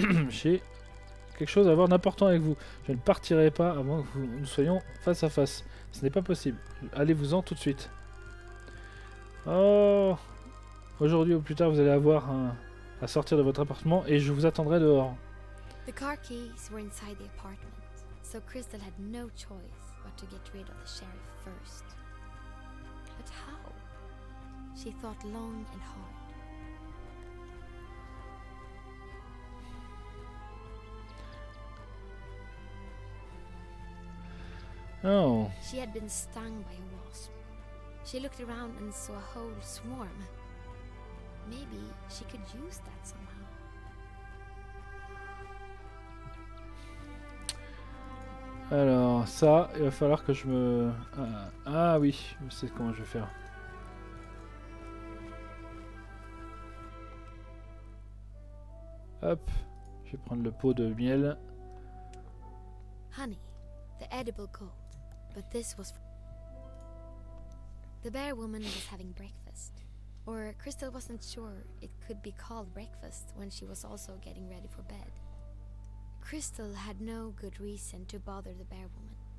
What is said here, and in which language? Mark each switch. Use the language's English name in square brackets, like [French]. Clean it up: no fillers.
[French] J'ai quelque chose à voir d'important avec vous. Je ne partirai pas avant que nous soyons face à face. Ce n'est pas possible. Allez-vous-en tout de suite. Oh, aujourd'hui ou plus tard, vous allez avoir à sortir de votre appartement et je vous attendrai dehors. [English] The car keys were inside the apartment, so Crystal had no choice but to get rid of the sheriff first. But how? She thought long and hard. Oh. She had been stung by a wasp. She looked around and saw a whole swarm. Maybe she could use that somehow. [French] Alors, ça, il va falloir que je me... Ah oui, je sais comment je vais faire. Hop, je vais prendre le pot de miel. [English] Honey, the edible coal. But this was the bear woman was having breakfast, or Crystal wasn't sure it could be called breakfast when she was also getting ready for bed. Crystal had no good reason to bother the bear woman.